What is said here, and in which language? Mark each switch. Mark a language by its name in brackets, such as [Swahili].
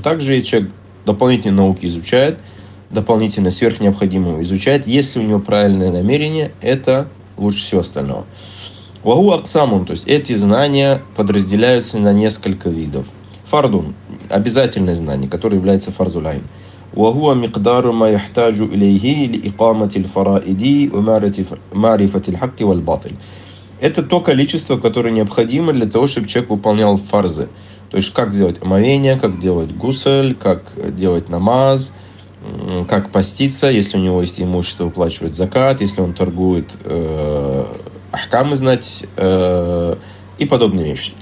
[Russian] Также человек дополнительные науки изучает, дополнительно сверхнеобходимого изучает, если у него правильное намерение, это лучше всего остального. Вагу аксамун, то есть эти знания подразделяются на несколько видов. Фардун, обязательное знание, которое является фарзулайн. [Arabic] وهو مقدار ما يحتاج إليه لإقامة الفرائض ومعرفة الحق والباطل. [Russian] Это то количество, которое необходимо для того, чтобы человек выполнял фарзы. То есть как делать омовение, как делать гусль, как делать намаз, как поститься, если у него есть имущество, выплачивать закат, если он торгует ахкамы, знать и подобные вещи.